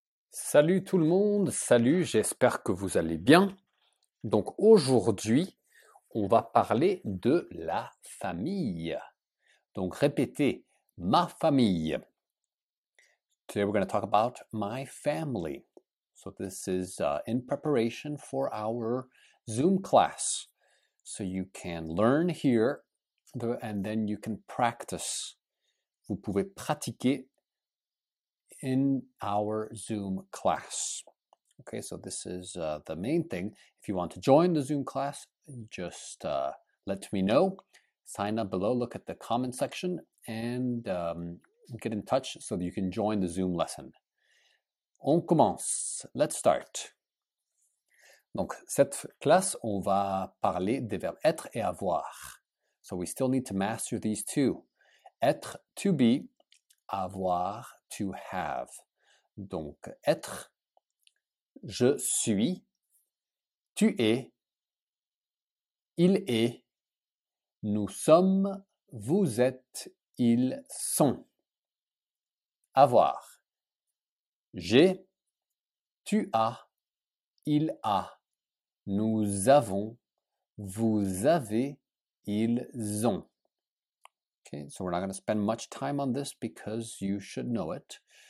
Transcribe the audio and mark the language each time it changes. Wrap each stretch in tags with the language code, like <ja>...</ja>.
<fr>Salut tout le monde, salut, j'espère que vous allez bien. Donc aujourd'hui, on va parler de la famille. Donc répétez, ma famille.</fr> <en>Today we're going to talk about my family. So this is in preparation for our Zoom class. So you can learn here and then you can practice.</en> <fr>Vous pouvez pratiquer</fr> <en>in our Zoom class. Okay, so this is the main thing. If you want to join the Zoom class, just let me know. Sign up below, look at the comment section, and get in touch so that you can join the Zoom lesson.</en> <fr>On commence.</fr> <en>Let's start.</en> <fr>Donc, cette classe, on va parler des verbes être et avoir.</fr> <en>So we still need to master these two. Être, to be, avoir, to have.</en> <fr>Donc, être, je suis, tu es, il est, nous sommes, vous êtes, ils sont. Avoir, j'ai, tu as, il a, nous avons, vous avez, ils ont.</fr> <en>Okay, so we're not going to spend much time on this because you should know it.</en>